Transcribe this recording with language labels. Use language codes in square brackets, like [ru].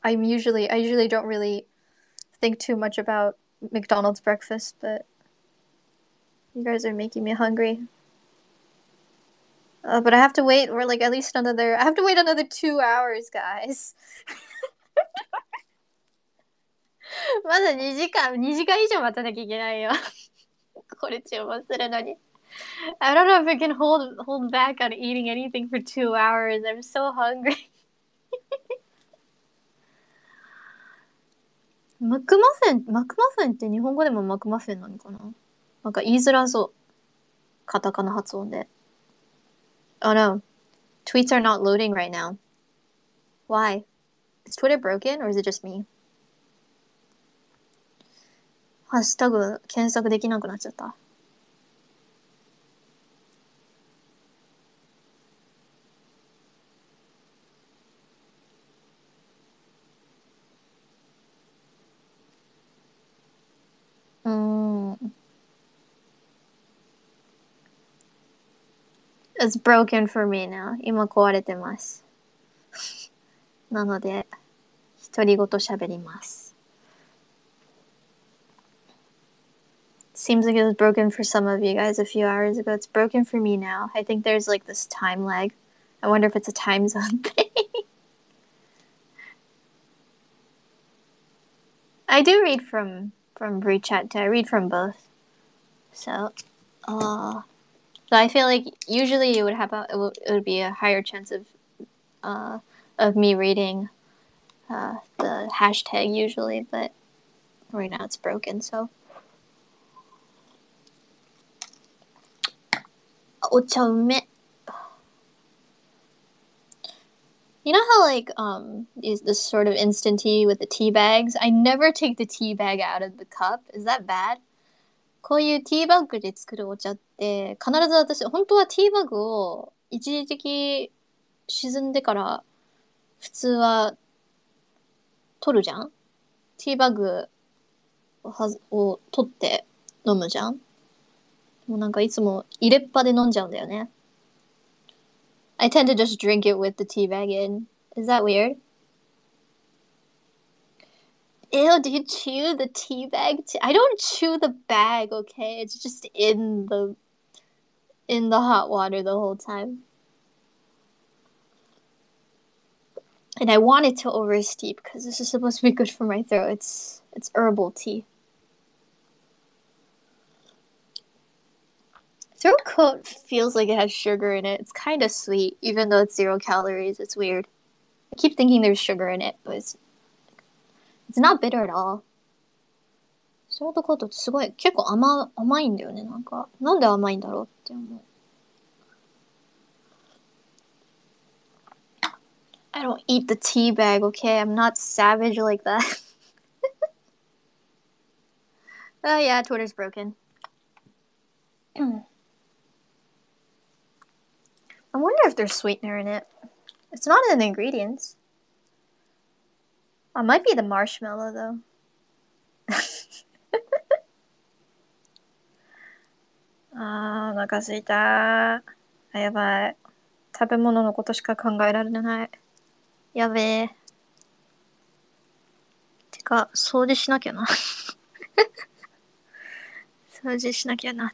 [en] I usually don't really think too much about McDonald's breakfast, but you guys are making me hungry. But I have to wait for like at least another, I have to wait another 2 hours, guys. [ja] まだ2時間以上待たなきゃいけないよ。これ注文するのに。 [en] I don't know if I can hold back on eating anything for 2 hours. I'm so hungry. [ja] マクマフィンって日本語でもマクマフィンなのかな? なんか言いづらそう。カタカナ発音で。 [en] Oh no. Tweets are not loading right now. Why? Is Twitter broken or is it just me? [ja] ハッシュタグ検索できなくなっちゃった。 [en] It's broken for me now. [ja] 今壊れてます。なので、独り言喋ります。 [en] Seems like it was broken for some of you guys a few hours ago. It's broken for me now. I think there's like this time lag. I wonder if it's a time zone thing. I do read from WeChat too. I read from both. So I feel like usually it would be a higher chance of me reading the hashtag usually, but right now it's broken, so... [ja] お茶うめ。 [en] You know how like is this sort of instant tea with the tea bags? I never take the tea bag out of the cup. Is that bad? [ja] こういうティーバッグで作るお茶って必ず私本当はティーバッグを一時的沈んでから普通は取るじゃん。ティーバッグを取って飲むじゃん。もうなんかいつも入れっぱで飲んじゃうんだよね。 [en] I tend to just drink it with the tea bag in. Is that weird? Ew, do you chew the tea bag? I don't chew the bag, okay? It's just in the hot water the whole time. And I want it to oversteep because this is supposed to be good for my throat. It's herbal tea. Throat coat feels like it has sugar in it. It's kind of sweet, even though it's 0 calories. It's weird. I keep thinking there's sugar in it, but it's not bitter at all. [ja] ショートコートってすごい、結構甘いんだよね、なんか。なんで甘いんだろうって思う。 [en] I don't eat the tea bag, okay? I'm not savage like that. Oh yeah, Twitter's broken. I wonder if there's sweetener in it. It's not in the ingredients. It might be the marshmallow, [ja] ああ、お腹すいたー。やばい。食べ物のことしか考えられない。やべえ。てか、掃除しなきゃな 掃除しなきゃな。